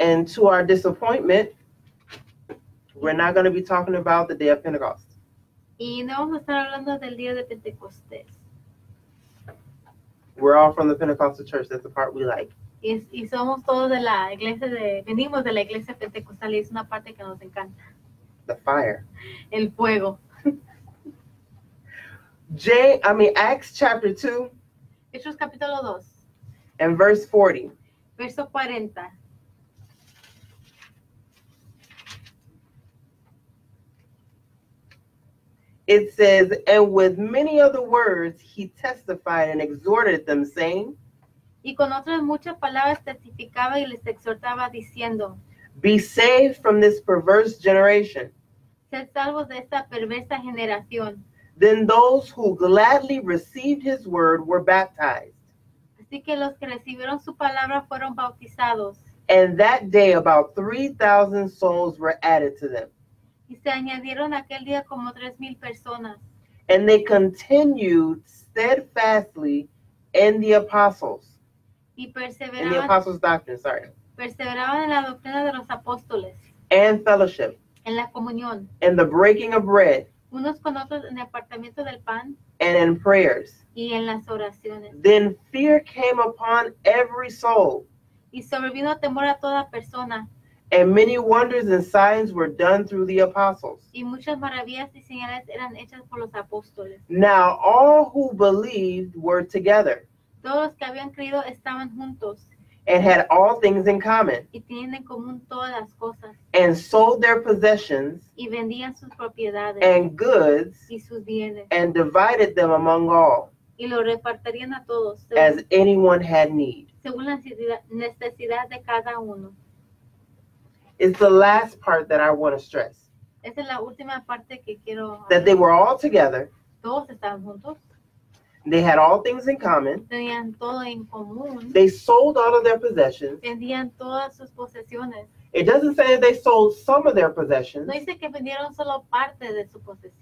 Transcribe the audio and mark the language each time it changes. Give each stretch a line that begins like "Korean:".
English: And to our disappointment, we're not going to be talking about the day of Pentecost.
Spanish: Y no vamos a estar hablando del día de Pentecostés.
English: We're all from the Pentecostal church. That's the part we like.
Spanish: Y somos todos de la iglesia venimos de la iglesia pentecostal y es una parte que nos encanta.
English: The fire.
Spanish: El fuego.
English: Acts chapter 2.
Spanish: Hechos capítulo 2.
English: And verse 40.
Spanish: Verso 40.
English: It says, and with many other words, he testified and exhorted them, saying,
Spanish: y con otras muchas palabras testificaba y les exhortaba diciendo,
English: be saved from this perverse generation.
Spanish: Sed salvos de esta perversa generación.
English: Then those who gladly received his word were baptized.
Spanish: Así que los que recibieron su palabra fueron bautizados.
English: And that day about 3,000 souls were added to them.
Spanish: Y se añadieron aquel día como 3,000 personas.
English: And they continued steadfastly in the apostles.
Spanish: Y perseveraban,
English: in the apostles' doctrine, sorry.
Spanish: Perseveraban en la doctrina de los apóstoles.
English: And fellowship.
Spanish: En la comunión.
English: And the breaking of bread.
Spanish: Unos con otros en el apartamiento del pan.
English: And in prayers.
Spanish: Y en las oraciones.
English: Then fear came upon every soul.
Spanish: Y sobrevino temor a toda persona.
English: And many wonders and signs were done through the apostles.
Spanish: Y muchas maravillas y señales eran hechas por los apóstoles.
English: Now all who believed were together.
Spanish: Todos los que habían creído estaban juntos.
English: And had all things in common.
Spanish: Y tenían en común todas las cosas.
English: And sold their possessions.
Spanish: Y vendían sus propiedades.
English: And goods.
Spanish: Y sus bienes.
English: And divided them among all.
Spanish: Y lo repartirían a todos.
English: As anyone had need.
Spanish: Según la necesidad de cada uno.
English: It's the last part that I want to stress.
Spanish: Esa es la última parte que quiero.
English: That they were all together.
Spanish: Todos estaban juntos.
English: They had all things in common.
Spanish: Tenían todo en común.
English: They sold all of their possessions.
Spanish: Vendían todas sus posesiones.
English: It doesn't say that they sold some of their possessions.
Spanish: No dice que vendieron solo parte de su posesión.